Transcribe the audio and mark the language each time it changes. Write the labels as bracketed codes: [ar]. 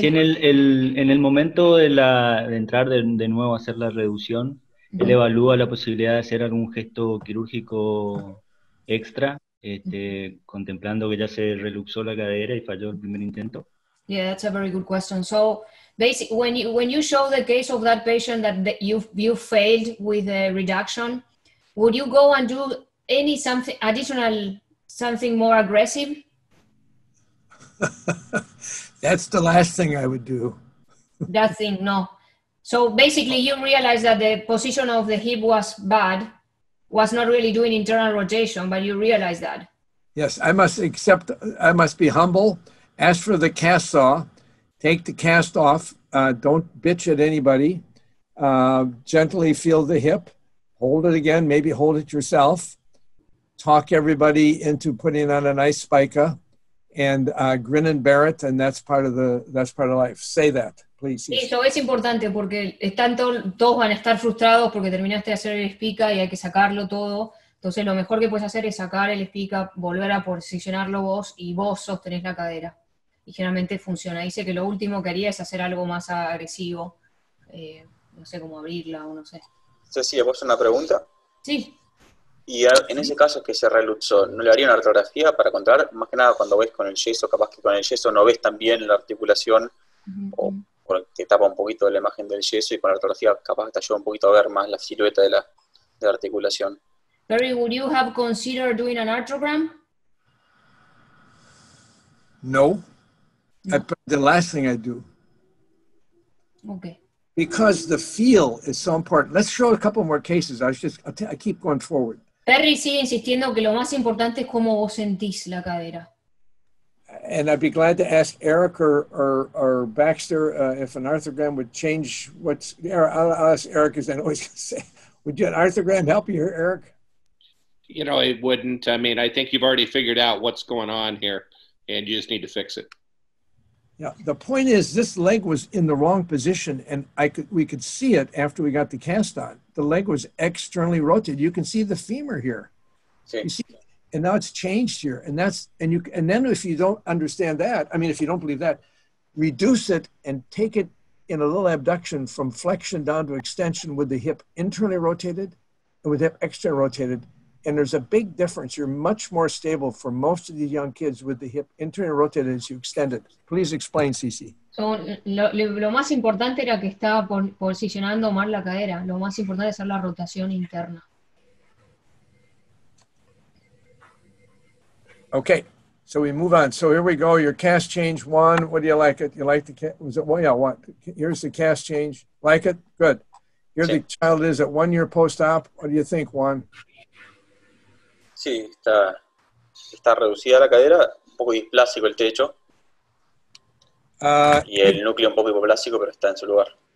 [es] Si en el momento de entrar de nuevo a hacer la reducción, mm-hmm. él evalúa la posibilidad de hacer algún gesto quirúrgico extra, mm-hmm. contemplando que ya se reluxó la cadera y falló el primer intento. [en] Yeah, that's a very good question. So, basically, when you show the case of that patient that you failed with a reduction, would you go and do any something more aggressive? That's the last thing I would do. That thing, no. So basically, you realize that the position of the hip was bad, was not really doing internal rotation, but you realize that. Yes, I must accept. I must be humble. Ask for the cast saw. Take the cast off. Don't bitch at anybody. Gently feel the hip. Hold it again. Maybe hold it yourself. Talk everybody into putting on a nice spica. And grin and bear it, and that's part of life. Say that, please. [es] Sí, eso es importante porque están todos van a estar frustrados porque terminaste de hacer el espica y hay que sacarlo todo. Entonces lo mejor que puedes hacer es sacar el espica, volver a posicionarlo vos y vos sostenés la cadera. Y generalmente funciona. Dice que lo último que haría es hacer algo más agresivo, no sé cómo abrirla o no sé. Sí, ¿vos una pregunta? Sí. Y en ese caso que se reluxó, ¿no le haría una artrografía para controlar? Más que nada cuando ves con el yeso, capaz que con el yeso no ves tan bien la articulación uh-huh. o te tapa un poquito la imagen del yeso y con la artrografía capaz te ayuda un poquito a ver más la silueta de la articulación. [en] Perry, would you have considered doing an artrogram? No. The last thing I do. Okay. Because the feel is so important. Let's show a couple more cases. I keep going forward. [es] Perry sigue insistiendo que lo más importante es cómo vos sentís la cadera. [en] And I'd be glad to ask Eric or Baxter if an arthrogram would change what's... I'll ask Eric, as I always say. Would an arthrogram help you here, Eric? You know, it wouldn't. I mean, I think you've already figured out what's going on here and you just need to fix it. Yeah, the point is this leg was in the wrong position, and we could see it after we got the cast on. The leg was externally rotated. You can see the femur here. [es] Sí. [en] You see, and now it's changed here. And that's and then if you don't understand that, I mean, if you don't believe that, reduce it and take it in a little abduction from flexion down to extension with the hip internally rotated and with the hip externally rotated. And there's a big difference. You're much more stable for most of these young kids with the hip internally rotated as you extend it. Please explain, Cici. [es] So, lo más importante era que estaba posicionando mal la cadera. Lo más importante es hacer la rotación interna. [en] Okay, so we move on. So here we go. Your cast change one. What do you like it? You like the cast? Was it? Well, yeah, what? Here's the cast change. Like it? Good. Here sí. The child is at 1 year post-op. What do you think, Juan? [es] Sí, está reducida la cadera, un poco displásico el techo. Y el núcleo un poco hipoplásico, pero está en su lugar.